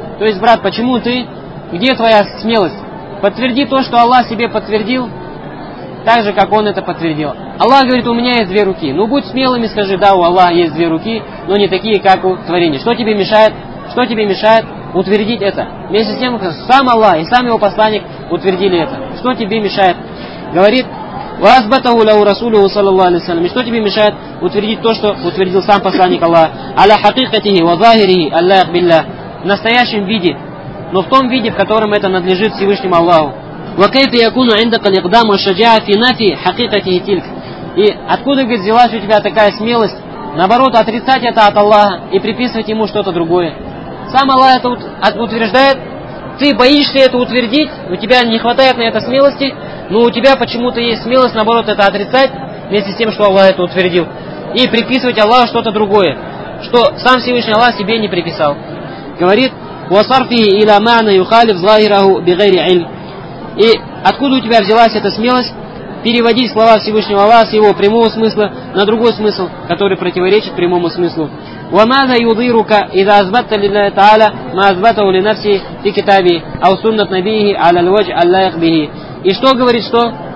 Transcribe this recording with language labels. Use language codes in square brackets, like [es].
[ru] То есть, брат, почему ты? Где твоя смелость? Подтверди то, что Аллах себе подтвердил, так же, как Он это подтвердил. Аллах говорит, у меня есть две руки. Ну, будь смелым и скажи, да, у Аллаха есть две руки, но не такие, как у творения. Что тебе мешает? Что тебе мешает утвердить это? Вместе с тем, сам Аллах и сам его посланник утвердили это. Что тебе мешает? [ar] Говорит, وَأَثْبَتَهُ لَهُ رَسُولُهُ صَلَى اللَّهُ عَلَيْهِ وَسَلَّمَ. [ru] Что тебе мешает утвердить то, что утвердил сам посланник Аллаха? [ar] عَلَى حَقِيقَتِهِ وَظَاهِرِهِ أَلَّا يَقْبِلَّهُ. [ru] В настоящем виде, но в том виде, в котором это надлежит Всевышнему Аллаху. [ar] وَكَيْفَ يَكُونُ عِنْدَكَ الْإِقْدَامُ وَالشَّجَاعَةُ فِي نَفِي حَقِيقَتِهِ تِلْكَ. [ru] И откуда, говорит, взялась у тебя такая смелость, наоборот, отрицать это от Аллаха и приписывать ему что-то другое? Сам Аллах это утверждает, ты боишься это утвердить, у тебя не хватает на это смелости, но у тебя почему-то есть смелость, наоборот, это отрицать, вместе с тем, что Аллах это утвердил, и приписывать Аллаху что-то другое, что сам Всевышний Аллах себе не приписал. [ar] Говорит, وَصَرْفِهِ إِلَى مَعْنَ يُخَالِفْ ظَاهِرَهُ بِغَيْرِ عِلْمٍ. [ru] И откуда у тебя взялась эта смелость переводить слова Всевышнего Аллаха с его прямого смысла на другой смысл, который противоречит прямому смыслу? [ar] وَمَاذَا يُضِيرُكَ إِذَا أَثْبَتَ لِلَّهِ تَعَالَى مَا أَثْبَتَهُ لِنَفْسِهِ فِي كِتَابِهِ أَوْ سُنَّةِ نَبِيِّهِ عَلَى الْوَجْهِ أَلَّيْقْ بِهِ. [ru] И что говорит, что?